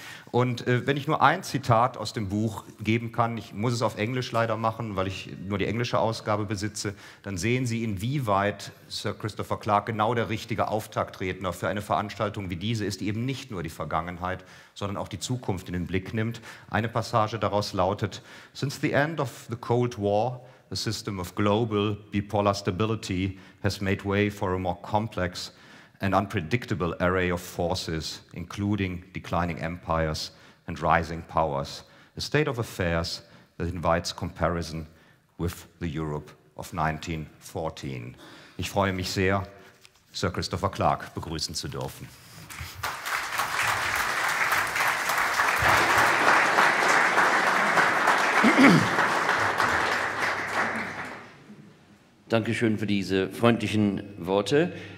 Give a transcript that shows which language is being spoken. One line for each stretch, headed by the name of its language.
German: Und wenn ich nur ein Zitat aus dem Buch geben kann, ich muss es auf Englisch leider machen, weil ich nur die englische Ausgabe besitze, dann sehen Sie, inwieweit Sir Christopher Clarke genau der richtige Auftaktredner für eine Veranstaltung wie diese ist, die eben nicht nur die Vergangenheit, sondern auch die Zukunft in den Blick nimmt. Eine Passage daraus lautet:
English: Since the end of the Cold War, a system of global bipolar stability has made way for a more complex and unpredictable array of forces, including declining empires and rising powers, a state of affairs that invites comparison with the Europe of 1914.
German: Ich freue mich sehr, Sir Christopher Clarke begrüßen zu dürfen. Dankeschön für diese freundlichen Worte.